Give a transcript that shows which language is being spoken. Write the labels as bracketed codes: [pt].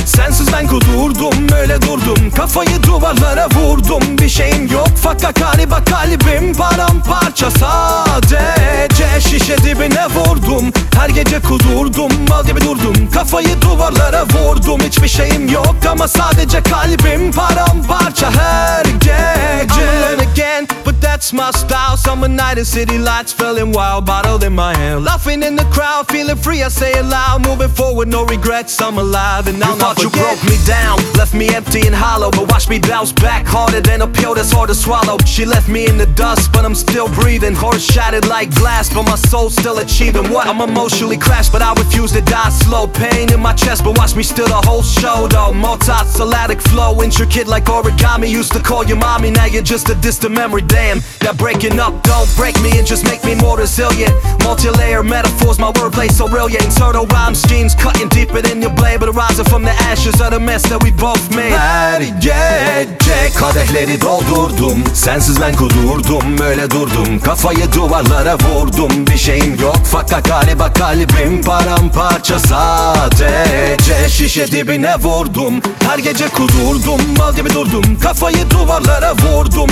[tr] Sensiz ben kudurdum, öyle durdum. Kafayı duvarlara vurdum. Bir şeyim yok fakat galiba kalbim paramparça. Sadece şişe dibine vurdum. Her gece kudurdum, mal gibi durdum. Kafayı duvarlara vurdum. Hiçbir şeyim yok ama sadece kalbim paramparça. Her gece [en] I'm alone again, but that's my style. Summer night and city lights feeling wild. Bottle in my hand, laughing in the crowd. Feeling free, I say it loud. Moving forward, no regrets, I'm alive and I'll not forget. You thought you broke me down, left me empty and hollow. But watch me bounce back harder than a pill that's hard to swallow. She left me in the dust, but I'm still breathing. Heart shattered like glass, but my soul's still achieving. What? I'm emotionally crashed, but I refuse to die slow. Pain in my chest, but watch me steal the whole show though. Multi-syllabic flow, intricate like origami. Used to call you mommy, now you're just a distant memory. Damn, that breaking up don't break me and just make me more resilient. Multi-layer metaphors, my wordplay so brilliant. Internal rhymes, genes cutting deeper than your blade. But rising from the ashes of the mess that we both made. [tr] Her gece kadehleri doldurdum. Sensiz ben kudurdum, öyle durdum. Kafayı duvarlara vurdum. Bir şeyim yok fakat galiba kalbim paramparça. Sadece şişe dibine vurdum. Her gece kudurdum, mal gibi durdum. Kafayı duvarlara vurdum.